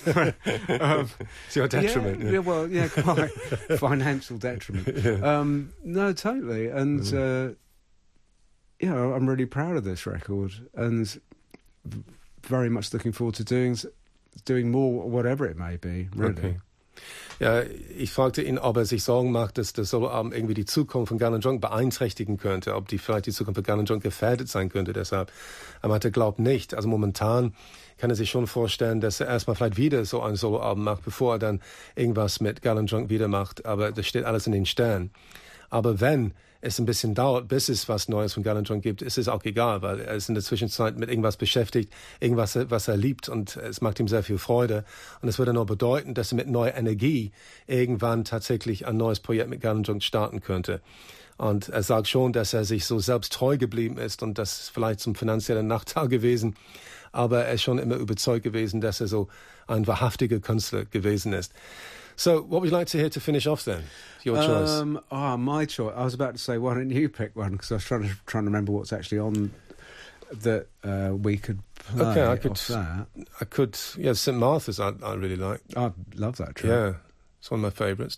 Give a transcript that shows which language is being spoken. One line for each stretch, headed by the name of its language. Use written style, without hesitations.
English: To your detriment. Yeah. Quite. Financial detriment. Yeah. No, totally. And, I'm really proud of this record. And very much looking forward to doing more, whatever it may be, really. Okay.
German: Ja, ich fragte ihn, ob er sich Sorgen macht, dass das Soloalbum irgendwie die Zukunft von Gallen Drunk beeinträchtigen könnte, ob vielleicht die Zukunft von Gallen Drunk gefährdet sein könnte deshalb. Aber er glaubt nicht. Also momentan kann er sich schon vorstellen, dass er erstmal vielleicht wieder so ein Soloalbum macht, bevor er dann irgendwas mit Gallen Drunk wieder macht. Aber das steht alles in den Sternen. Aber wenn es ein bisschen dauert, bis es was Neues von Gallen Drunk gibt, ist es auch egal, weil er ist in der Zwischenzeit mit irgendwas beschäftigt, irgendwas, was er liebt, und es macht ihm sehr viel Freude. Und es würde nur bedeuten, dass er mit neuer Energie irgendwann tatsächlich ein neues Projekt mit Gallen Drunk starten könnte. Und er sagt schon, dass er sich so selbst treu geblieben ist und das vielleicht zum finanziellen Nachteil gewesen, aber er ist schon immer überzeugt gewesen, dass er so ein wahrhaftiger Künstler gewesen ist.
English: So, what would you like to hear to finish off then? Your choice. My choice. I was about to say, why don't you pick one? Because I was trying to remember what's actually on that we could play. Okay, I could. Yeah, St. Martha's. I really like. I love that track. Yeah, it's one of my favourites.